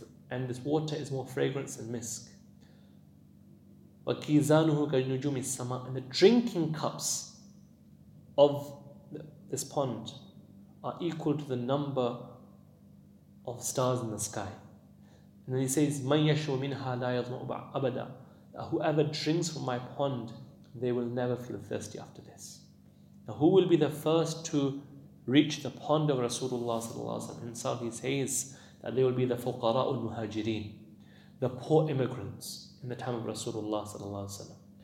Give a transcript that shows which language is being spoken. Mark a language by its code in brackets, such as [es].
[en] And this water is more fragrant than misk. [ar] وَكِيزَانُهُ كَنُجُومِ السَّمَاءِ. [en] And the drinking cups of this pond are equal to the number of stars in the sky. And then he says, [ar] مَنْ يَشْرُ مِنْهَا لَا يَظْمَعُ أَبَدًا. [en] Whoever drinks from my pond, they will never feel thirsty after this. Now who will be the first to reach the pond of Rasulullah sallallahu alaihi wasallam? He says that they will be the fuqara ul muhajirin, the poor immigrants in the time of Rasulullah sallallahu alaihi wasallam.